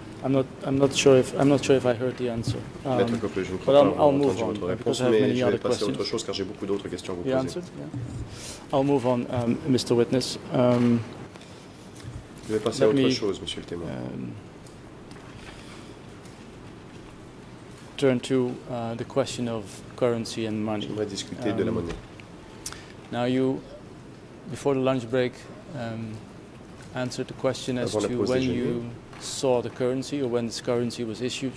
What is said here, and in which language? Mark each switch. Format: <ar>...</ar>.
<en>I'm not sure if I heard the answer. I'll move on because I have many other questions.</en> <fr>Autre chose, car j'ai beaucoup d'autres questions à vous poser.</fr> <en>The answer? Yeah. I'll move on, Mr. Witness.</en> <fr>Je vais passer à autre chose, Monsieur le Témoin.</fr> <en>Turn to the question of currency and money.</en> <fr>J'aimerais discuter de la monnaie.</fr> <en>Now you, before the lunch break, answered the question as</en> <fr>avant</fr> <en>to when</en> <fr>déjeuner,</fr> <en>you saw the currency or when this currency was issued.</en>